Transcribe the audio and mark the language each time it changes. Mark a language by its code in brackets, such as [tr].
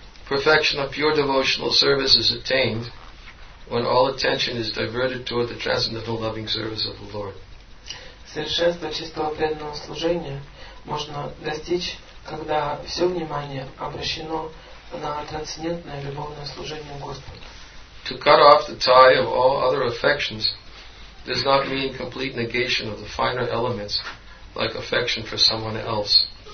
[en] Perfection of pure devotional service is attained when all attention is diverted toward the transcendental loving service of the Lord. [ru] Совершенство чистого преданного служения можно достичь, когда все внимание обращено на трансцендентное любовное служение Господу. [en] To cut off the tie of all other affections does not mean complete negation of the finer elements, like affection for someone else.